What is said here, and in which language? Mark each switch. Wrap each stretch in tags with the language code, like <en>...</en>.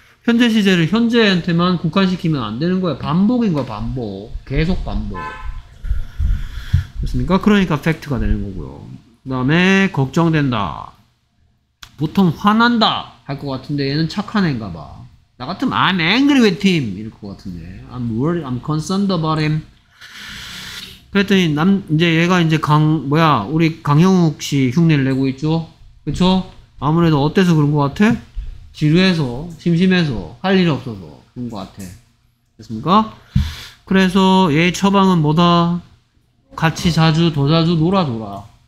<ko>현재 시제를 현재한테만 국한시키면 안 되는 거야. 반복인 거야, 반복. 계속 반복. 그렇습니까? 그러니까 팩트가 되는 거고요. 그 다음에 걱정된다. 보통 화난다 할 것 같은데 얘는 착한 애인가 봐. 나 같으면</ko> <en>I'm angry with him</en> <ko>이럴 것 같은데</ko> <en>I'm worried, I'm concerned about him.</en> <ko>그랬더니 이제 얘가 이제 우리 강형욱 씨 흉내를 내고 있죠. 그쵸? 아무래도 어때서 그런 것 같아? 지루해서, 심심해서, 할 일 없어서 그런 것 같아. 됐습니까? 그래서 얘의 처방은 뭐다? 같이 자주, 더 자주 놀아줘라.</ko>